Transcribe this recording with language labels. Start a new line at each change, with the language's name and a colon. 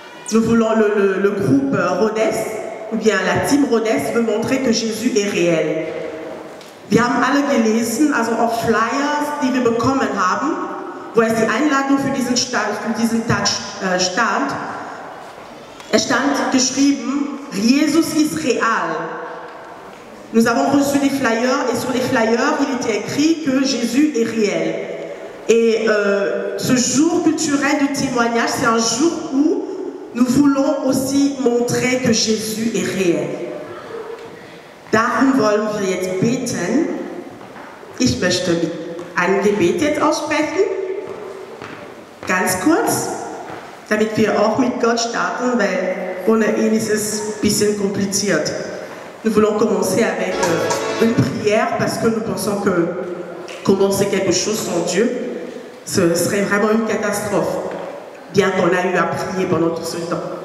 French: Nous voulons le groupe Rhodes, ou bien la team Rhodes veut montrer que Jésus est réel.
German: Wir haben alle gelesen, also auf Flyers, die wir bekommen haben, wo es die Einladung für diesen Tag stand. Es stand geschrieben, Jesus ist real.
French: Nous avons reçu des Flyers et sur les Flyers, il était écrit que Jésus est réel. Et ce jour culturel de témoignage, c'est un jour où nous voulons aussi montrer que Jésus est réel.
German: Darum wollen wir jetzt beten. Ich möchte ein Gebet jetzt aussprechen. Ganz kurz. Damit wir auch mit Gott starten, weil ohne ihn ist es ein bisschen kompliziert.
French: Nous voulons commencer avec une prière parce que nous pensons que commencer quelque chose sans Dieu, ce serait vraiment une catastrophe. Bien qu'on a eu à prier pendant tout ce temps.